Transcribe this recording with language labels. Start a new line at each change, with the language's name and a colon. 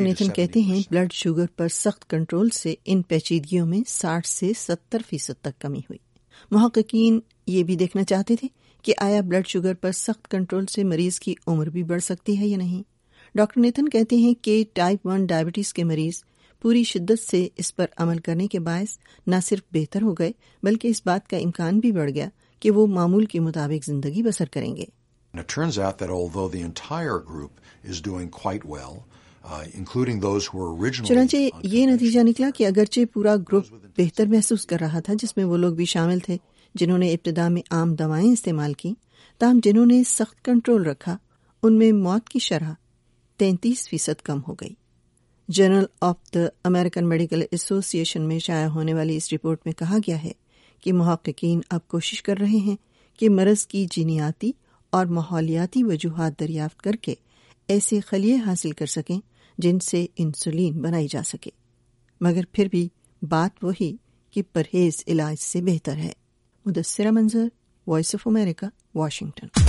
Urdu: نیتن کہتے ہیں blood sugar پر سخت کنٹرول سے ان پیچیدگیوں میں 60-70% تک کمی ہوئی۔ محققین یہ بھی دیکھنا چاہتے تھے کہ آیا بلڈ شوگر پر سخت کنٹرول سے مریض کی عمر بھی بڑھ سکتی ہے یا نہیں۔ ڈاکٹر نیتن کہتے ہیں کہ ٹائپ 1 ڈائبٹیز کے مریض پوری شدت سے اس پر عمل کرنے کے باعث نہ صرف بہتر ہو گئے بلکہ اس بات کا امکان بھی بڑھ گیا کہ وہ معمول کے مطابق زندگی بسر کریں گے۔
English: It turns out that although the entire group is doing quite well, including those who were originally
Urdu: چنانچہ یہ نتیجہ نکلا کہ اگرچہ پورا گروپ بہتر محسوس کر رہا تھا جس میں وہ لوگ بھی شامل تھے جنہوں نے ابتدا میں عام دوائیں استعمال کی، تاہم جنہوں نے سخت کنٹرول رکھا ان میں موت کی شرح 33% کم ہو گئی۔ General of the American medical ایسوسی ایشن میں شائع ہونے والی اس رپورٹ میں کہا گیا ہے کہ محققین اب کوشش کر رہے ہیں کہ مرض کی جینیاتی اور ماحولیاتی وجوہات دریافت کر کے ایسے خلیے حاصل کر سکیں جن سے انسولین بنائی جا سکے، مگر پھر بھی بات وہی کہ پرہیز علاج سے بہتر ہے۔ مدثرہ منظر، وائس آف امریکہ، واشنگٹن۔